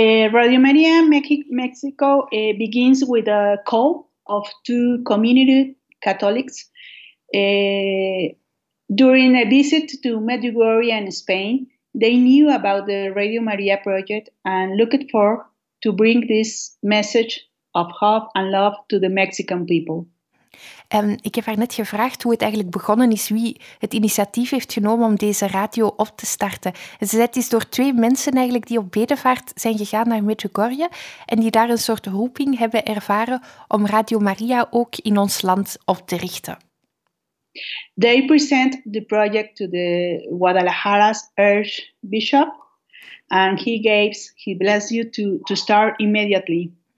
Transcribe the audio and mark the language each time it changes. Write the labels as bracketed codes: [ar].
[en] Radio Maria Mexico begins with a call of two community Catholics during a visit to Medjugorje and Spain. They knew about the Radio Maria project and looked for to bring this message of hope and love to the Mexican people. [nl] Ik heb haar net gevraagd hoe het eigenlijk begonnen is, wie het initiatief heeft genomen om deze radio op te starten. En ze zei het is door twee mensen eigenlijk die op bedevaart zijn gegaan naar Medjugorje en die daar een soort roeping hebben ervaren om Radio Maria ook in ons land op te richten. [en] They present the project to the Guadalajara's Archbishop and he blessed you to start immediately.